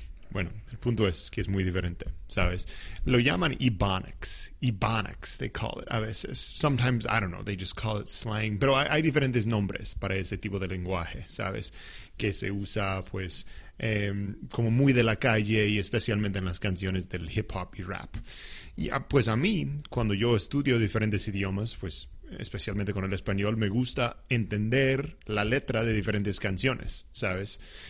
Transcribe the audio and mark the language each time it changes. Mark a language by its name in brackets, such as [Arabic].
[Spanish] Bueno, el punto es que es muy diferente, ¿sabes? Lo llaman Ebonics. Ebonics, [English] they call it [Spanish] a veces. [English] Sometimes, I don't know, they just call it slang. [Spanish] Pero hay diferentes nombres para ese tipo de lenguaje, ¿sabes? Que se usa, pues, como muy de la calle y especialmente en las canciones del hip-hop y rap. Y, pues, a mí, cuando yo estudio diferentes idiomas, pues, especialmente con el español, me gusta entender la letra de diferentes canciones, ¿sabes?